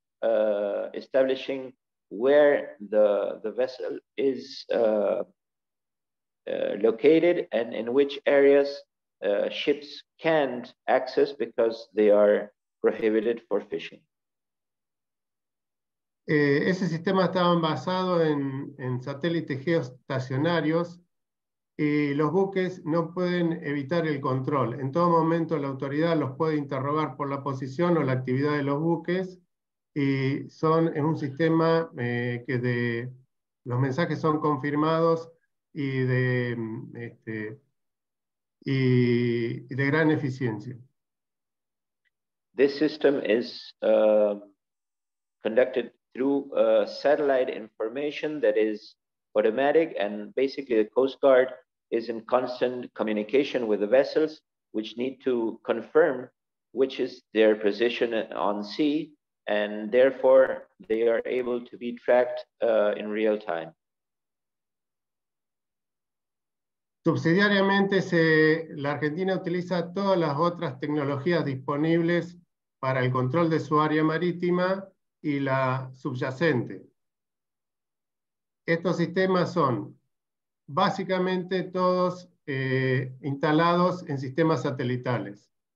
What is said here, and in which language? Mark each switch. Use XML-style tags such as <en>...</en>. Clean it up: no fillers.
<en>Establishing where the vessel is located and in which areas ships can't access because they are prohibited for fishing.</en> <es>Ese sistema estaba basado en satélites geoestacionarios y los buques no pueden evitar el control. En todo momento la autoridad los puede interrogar por la posición o la actividad de los buques. Y son en un sistema que de los mensajes son confirmados y de gran eficiencia.</es> <en>This system is conducted through satellite information that is automatic, and basically the Coast Guard is in constant communication with the vessels, which need to confirm which is their position on sea. And therefore, they are able to be tracked in real time.</en> <es>Subsidiariamente, la Argentina utiliza todas las otras tecnologías disponibles para el control de su área marítima y la subyacente. Estos sistemas son básicamente todos instalados en sistemas satelitales.</es>